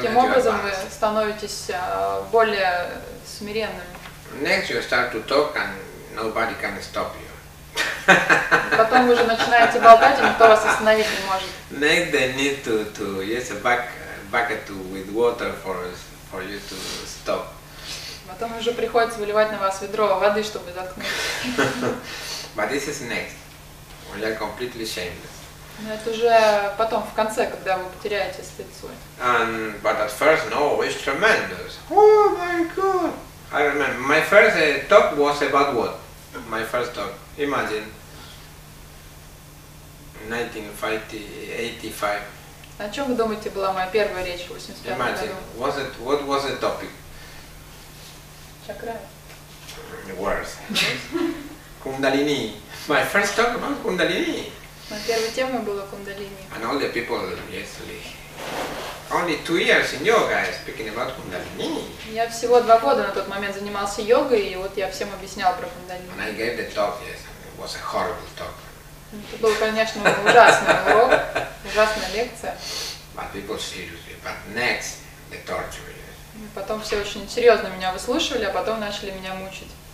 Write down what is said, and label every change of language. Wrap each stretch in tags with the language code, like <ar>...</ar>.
<ru>и таким образом вы становитесь более смиренным.</ru> <en>Next you start to talk and nobody can stop you.</en> <ru>Потом вы уже начинаете болтать, и никто вас остановить не может.</ru> <en>Next they need to use a bucket with water for you to stop.</en> <ru>Потом уже приходится выливать на вас ведро воды, чтобы заткнуть.</ru> <en>But this is next. When you're completely shameless.</en> <ru>Но это уже потом, в конце, когда вы потеряете лицо.</ru> <en>But at first, no, it's tremendous. Oh my God! I remember my first talk was about what? My first talk. Imagine. 1985.</en> <ru>О чем вы думаете была моя первая речь в 85 году?</ru> <en>Imagine. Was it? What was the topic?</en> <ru>Чакра.</ru> <en>Worse. Кундалини. My first talk about Кундалини.</en> <ru>Моя первая тема была Кундалини.</ru> <en>And all the people, yes, only 2 years in yoga, speaking about Кундалини.</en> <ru>Я всего 2 года на тот момент занимался йогой, и вот я всем объяснял про Кундалини.</ru> <en>And I gave the talk, yes, and it was a horrible talk.</en> <ru>Это был, конечно, ужасный урок, ужасная лекция.</ru> <en>But people seriously, but next, the torture.</en> <ru>Потом все очень серьезно меня выслушивали, а потом начали меня мучить.</ru>